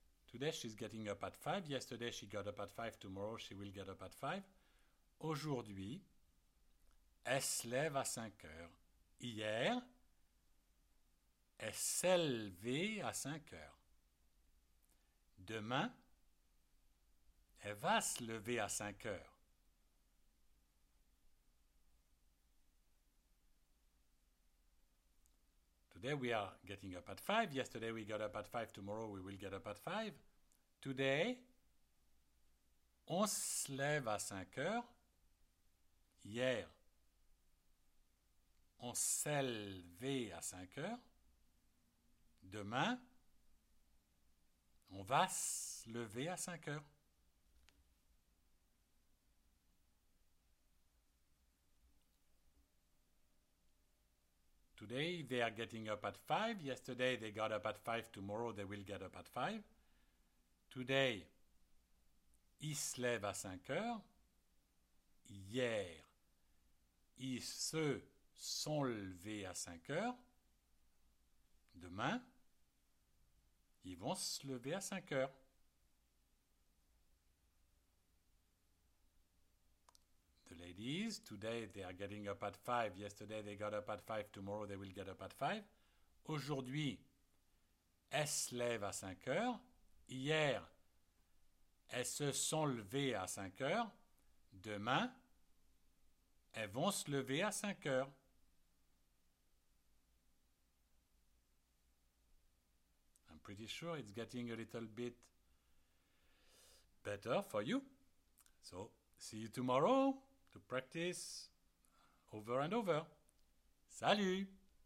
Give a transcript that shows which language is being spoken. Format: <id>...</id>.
<en>Today she's getting up at 5. Yesterday she got up at 5. Tomorrow she will get up at 5.</en> <fr>Aujourd'hui, elle se lève à 5 heures. Hier, elle s'est levée à 5 heures. Demain, elle va se lever à 5 heures.</fr> <en>Today we are getting up at 5. Yesterday we got up at 5. Tomorrow we will get up at 5. Today,</en> <fr>on se lève à 5 heures. Hier, on s'est levé à 5 heures. Demain, on va se lever à 5 heures.</fr> <en>Today, they are getting up at 5. Yesterday, they got up at 5. Tomorrow, they will get up at 5. Today,</en> <fr>il se lève à 5 heures. Hier, ils se sont levés à 5 heures. Demain, ils vont se lever à 5 heures.</fr> <en>The ladies, today they are getting up at 5. Yesterday they got up at 5. Tomorrow they will get up at 5.</en> <fr>Aujourd'hui, elles se lèvent à 5 heures. Hier, elles se sont levées à 5 heures. Demain, elles vont se lever à 5 heures.</fr> <en>I'm pretty sure it's getting a little bit better for you. So, see you tomorrow to practice over and over. Salut!</en>